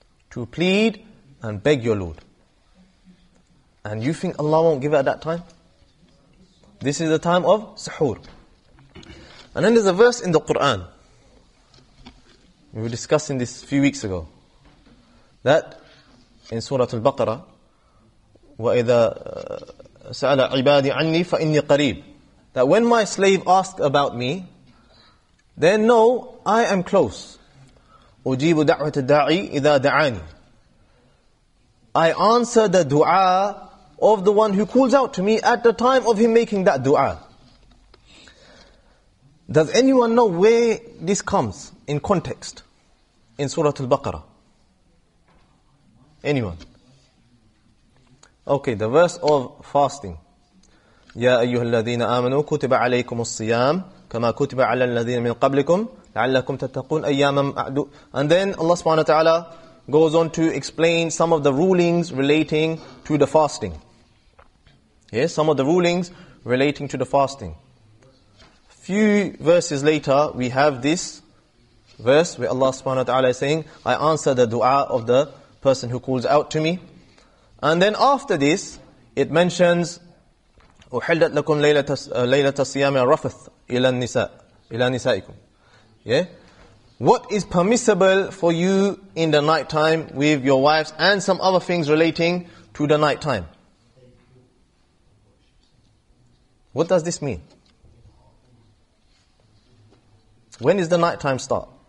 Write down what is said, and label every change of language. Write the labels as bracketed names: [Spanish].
[English] To plead and beg your Lord. And you think Allah won't give it at that time? This is the time of suhoor. And then there's a verse in the Quran. We were discussing this a few weeks ago. That in Surah Al-Baqarah, [Arabic] وَإِذَا سَأَلَ عِبَادِي عَنِّي فَإِنِّي قَرِيبٌ. [English] That when my slave asks about me, then know I am close. [Arabic] أُجِيبُ دَعْوَةَ الدَّاعِي إِذَا دَعَانِي. [English] I answer the dua of the one who calls out to me at the time of him making that dua. Does anyone know where this comes in context in Surah Al-Baqarah? Anyone? Okay, the verse of fasting. [Arabic] يَا أَيُّهَا الَّذِينَ آمَنُوا كُتِبَ عَلَيْكُمُ الصِّيَامُ كَمَا كُتِبَ عَلَى الَّذِينَ مِنْ قَبْلِكُمْ لَعَلَّكُمْ تَتَّقُونَ أَيَّامًا مَعْدُودًا. [English] And then Allah subhanahu wa ta'ala goes on to explain some of the rulings relating to the fasting. Yes, some of the rulings relating to the fasting. Few verses later, we have this verse where Allah subhanahu wa ta'ala is saying, I answer the dua of the person who calls out to me. And then after this, it mentions, [Arabic] أُحِلَّتْ لَكُمْ لَيْلَةَ الصِّيَامِ الرَّفَثِ إِلَى نِسَائِكُمْ. [English] Yeah? What is permissible for you in the night time with your wives and some other things relating to the night time? What does this mean? When is the night time start?